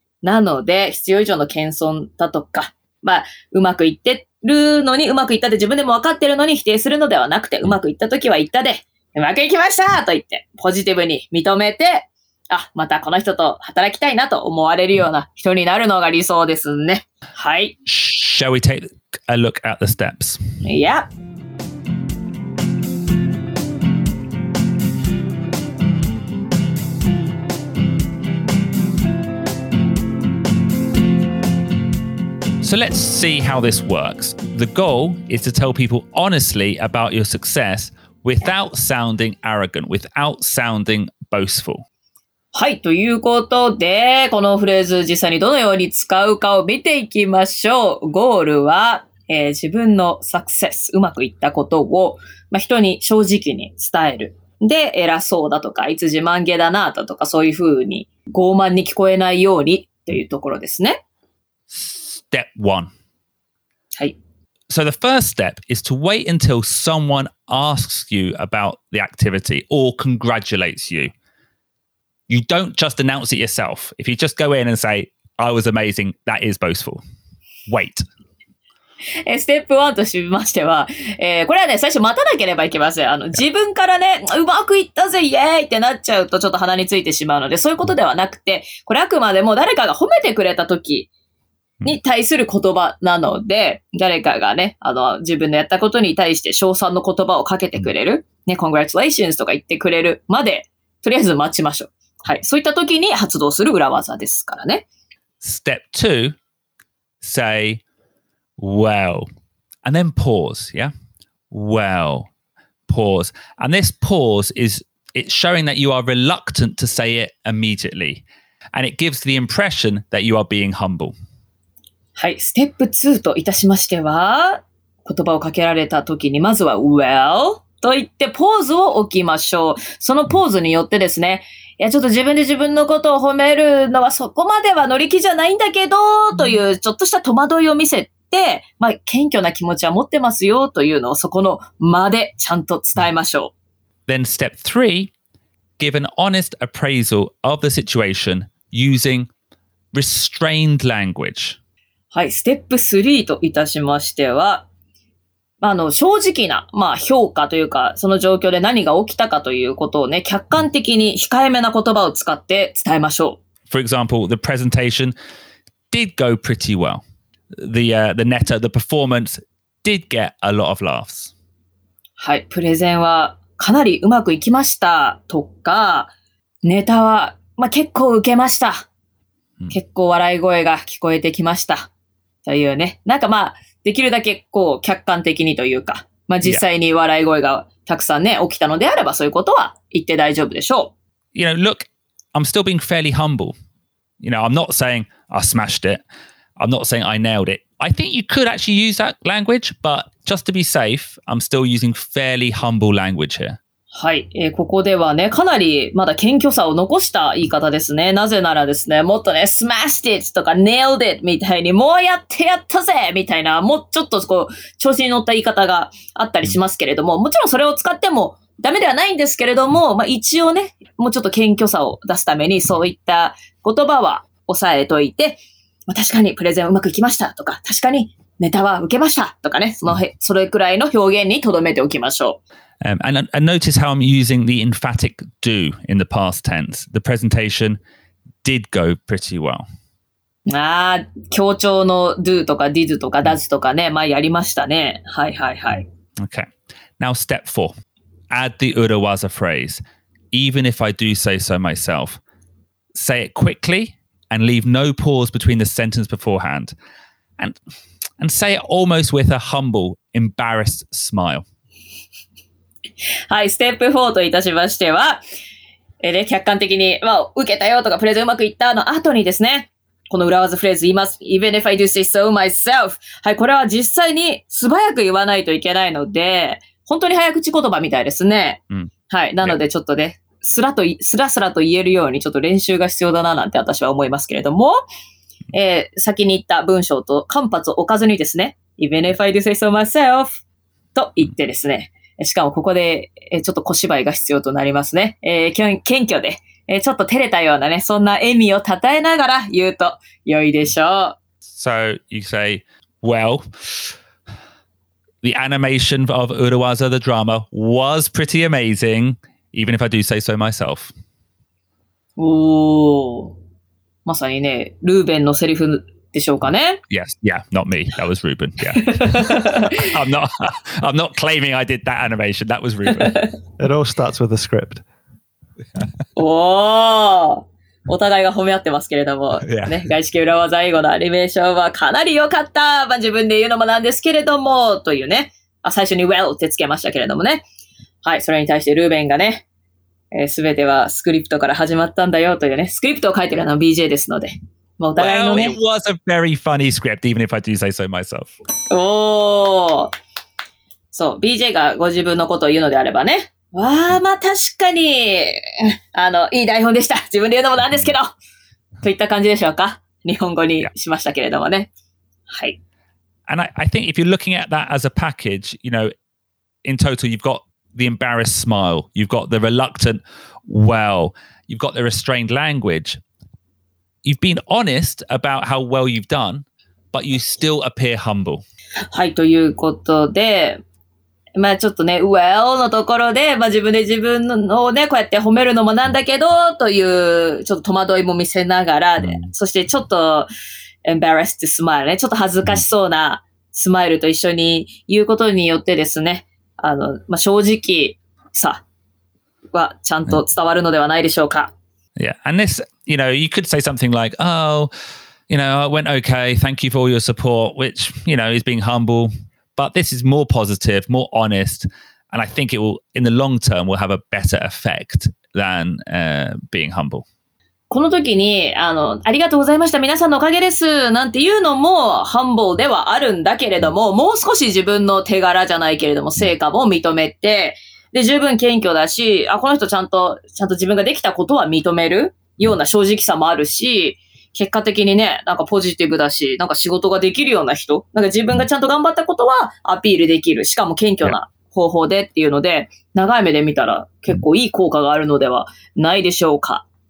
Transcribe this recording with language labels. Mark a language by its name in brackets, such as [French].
[Japanese] なので、必要以上の謙遜だとか、まあ、うまくいって、るのにうまくいったって自分でも分かってるのに否定するのではなくて、うまくいったときは言ったで、うまくいきましたと言って、ポジティブに認めて、あ、またこの人と働きたいなと思われるような人になるのが理想ですね。はい。 [English] Shall we take a look at the steps? Yep. So let's see how this works. The goal is to tell people honestly about your success without sounding arrogant, without sounding boastful. [Japanese] はい、ということで、このフレーズ実際にどのように使うかを見ていきましょう。ゴールは、自分のサクセス、うまくいったことを、まあ、人に正直に伝える。で、偉そうだとか、いつ自慢げだなだとか、そういうふうに傲慢に聞こえないようにというところですね。 [English] Step one. [Japanese] はい。 [English] So the first step is to wait until someone asks you about the activity or congratulates you. You don't just announce it yourself. If you just go in and say, I was amazing, that is boastful. Wait. [Japanese] ステップ1としましては、これはね、最初待たなければいけません。あの、自分からね、うまくいったぜ、イエーイってなっちゃうとちょっと鼻についてしまうので、そういうことではなくて、これあくまでも誰かが褒めてくれたとき、に対する言葉なので、誰かがね、あの、自分のやったことに対して称賛の言葉をかけてくれる、ね、Congratulations とか言ってくれるまで、とりあえず待ちましょう。はい。そういった時に発動する裏技ですからね。 [English] Step two, say, well, and then pause, yeah? Well, pause. And this pause is, it's showing that you are reluctant to say it immediately. And it gives the impression that you are being humble. [Japanese] はい、ステップ2といたしましては、言葉をかけられたときに、まずは、well と言って、ポーズを置きましょう。そのポーズによってですね、いや、ちょっと自分で自分のことを褒めるのはそこまでは乗り気じゃないんだけど、という、ちょっとした戸惑いを見せて、まあ、謙虚な気持ちは持ってますよ、というのを、そこの間でちゃんと伝えましょう。 [English] Then step 3, give an honest appraisal of the situation using restrained language. [Japanese] はい、ステップ3といたしましては、あの、正直な、まあ、評価というか、その状況で何が起きたかということをね、客観的に控えめな言葉を使って伝えましょう。 [English] For example, the presentation did go pretty well. The netter, the performance did get a lot of laughs. [Japanese] はい、プレゼンはかなりうまくいきましたとか、ネタは、まあ、結構受けました。結構笑い声が聞こえてきました。というね。なんかまあ、できるだけこう、客観的にというか、まあ実際に笑い声がたくさんね、起きたのであれば、そういうことは言って大丈夫でしょう。 [English] You know, look, I'm still being fairly humble. You know, I'm not saying I smashed it. I'm not saying I nailed it. I think you could actually use that language, but just to be safe, I'm still using fairly humble language here. [Japanese] はい、ここではね、かなりまだ謙虚さを残した言い方ですね。なぜならですね、もっとね、 [English] smashed it [Japanese] とか [English] nailed it [Japanese] みたいに、もうやってやったぜみたいな、もうちょっとこう、調子に乗った言い方があったりしますけれども、もちろんそれを使ってもダメではないんですけれども、まあ、一応ね、もうちょっと謙虚さを出すために、そういった言葉は抑えといて、まあ、確かにプレゼンうまくいきましたとか、確かにネタは受けましたとかね、それくらいの表現にとどめておきましょう。 [English] And notice how I'm using the emphatic do in the past tense. The presentation did go pretty well. [Japanese] ああ、強調の do とか did とか does とかね、まあやりましたね。はいはいはい。 [English] Okay. Now step four. Add the urawaza phrase. Even if I do say so myself. Say it quickly and leave no pause between the sentence beforehand. And say it almost with a humble, embarrassed smile. [Japanese] はい、ステップ4といたしましては、で客観的に、まあ、受けたよとかプレゼンうまくいったの後にですね、この裏技フレーズ言います。 [English] Even if I do say so myself。 [Japanese] はい、これは実際に素早く言わないといけないので、本当に早口言葉みたいですね。うん、はい、なのでちょっとね、すらすらと言えるようにちょっと練習が必要だななんて私は思いますけれども、先に言った文章と間髪を置かずにですね、 [English] Even if I do say so myself [Japanese] と言ってですね、しかもここでちょっと小芝居が必要となりますね。謙虚でちょっと照れたようなね、そんな笑みをたたえながら言うと良いでしょう。 [English] So you say, well, the animation of Urawaza the drama was pretty amazing, even if I do say so myself. [Japanese] おお、まさにね、ルーベンのセリフでしょうかね。 [English] Yes, yeah, not me. That was Ruben. Yeah. I'm not claiming I did that animation. That was Ruben. It all starts with a script. [Japanese] おー、お互いが褒め合ってますけれども、 [English] yeah. [Japanese] ね、外資系裏技英語のアニメーションはかなり良かった、まあ、自分で言うのもなんですけれどもというね、あ、最初に well ってつけましたけれどもね、はい、それに対してルーベンがね、全てはスクリプトから始まったんだよというね、スクリプトを書いてるのは BJ ですので、もうお互いのね、 [English] well, it was a very funny script, even if I do say so myself. [Japanese] おー。そう、BJ がご自分のことを言うのであればね。わー、まあ確かに、いい台本でした。自分で言うのもなんですけど。といった感じでしょうか。日本語にしましたけれどもね。 [English] Yeah. [Japanese] はい。 [English] And I think if you're looking at that as a package, you know, in total, you've got the embarrassed smile, you've got the reluctant well, you've got the restrained language. You've been honest about how well you've done, but you still appear humble. [Japanese] はい、ということで、まあちょっとね、well のところで、まあ自分で自分をね、こうやって褒めるのもなんだけど、というちょっと戸惑いも見せながら、ね、そしてちょっと [English] embarrassed smile [Japanese] ね、ちょっと恥ずかしそうなスマイルと一緒に言うことによってですね、まあ正直さはちゃんと伝わるのではないでしょうか。 [English] Yeah, and this, you know, you could say something like, oh, you know, it went okay, thank you for all your support, which, you know, is being humble, but this is more positive, more honest, and I think it will, in the long term, will have a better effect than being humble. [Japanese] この時に、ありがとうございました、皆さんのおかげです、なんていうのも humble ではあるんだけれども、もう少し自分の手柄じゃないけれども、成果も認めて、で、十分謙虚だし、あ、この人ちゃんと自分ができたことは認めるような正直さもあるし、結果的にね、なんかポジティブだし、なんか仕事ができるような人、なんか自分がちゃんと頑張ったことはアピールできる、しかも謙虚な方法でっていうので、長い目で見たら結構いい効果があるのではないでしょうか。